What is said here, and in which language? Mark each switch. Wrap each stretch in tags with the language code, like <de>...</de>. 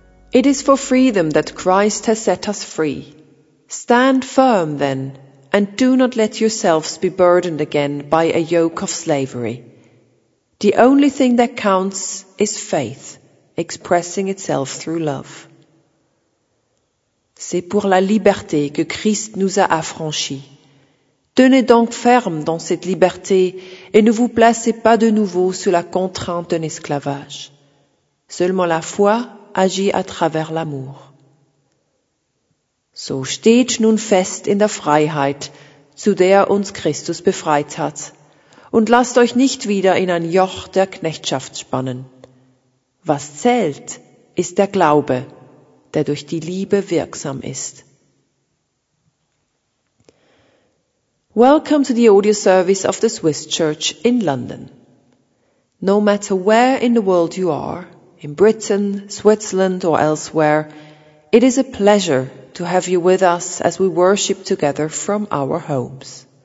<en>It is for freedom that Christ has set us free. Stand firm, then, and do not let yourselves be burdened again by a yoke of slavery. The only thing that counts is faith, expressing itself through love.</en> <fr>C'est pour la liberté que Christ nous a affranchis. Tenez donc ferme dans cette liberté et ne vous placez pas de nouveau sous la contrainte d'un esclavage. Seulement la foi agit à travers l'amour.</fr> <de>So steht nun fest in der Freiheit, zu der uns Christus befreit hat, und lasst euch nicht wieder in ein Joch der Knechtschaft spannen. Was zählt, ist der Glaube, der durch die Liebe wirksam ist.</de> <en>Welcome to the audio service of the Swiss Church in London. No matter where in the world you are, in Britain, Switzerland or elsewhere, it is a pleasure to have you with us as we worship together from our homes.</en>